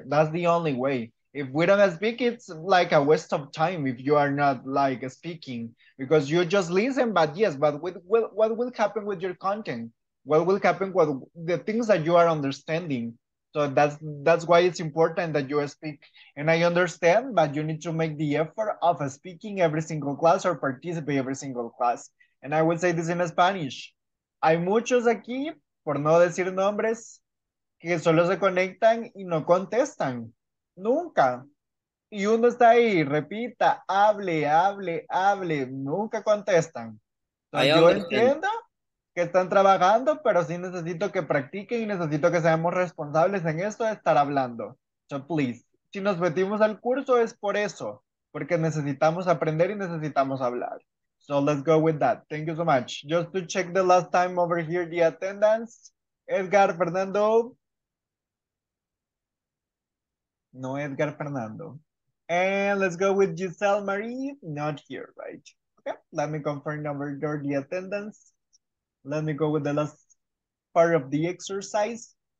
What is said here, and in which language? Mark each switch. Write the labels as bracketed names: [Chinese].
[English] That's the only way. If we don't speak, it's like a waste of time if you are not like speaking, because you just listen, but yes, but what will happen with your content? What will happen with the things that you are understanding? So that's why it's important that you speak. And I understand, but you need to make the effort of speaking every single class or participate every single class. And I will say this in Spanish. [Spanish] Hay muchos aquí, por no decir nombres, que solo se conectan y no contestan. Nunca. Y uno está ahí, repita, hable, nunca contestan. Entonces, yo entiendo que están trabajando, pero sí necesito que practiquen y necesito que seamos responsables en esto de estar hablando. [English] So please, [Spanish] si nos metimos al curso es por eso, porque necesitamos aprender y necesitamos hablar. [English] So let's go with that. Thank you so much. Just to check the last time over here, the attendance. Edgar Fernando. No Edgar Fernando. And let's go with Giselle Marie. Not here, right? Okay, let me confirm over there the attendance. Let me go with the last part of the exercise.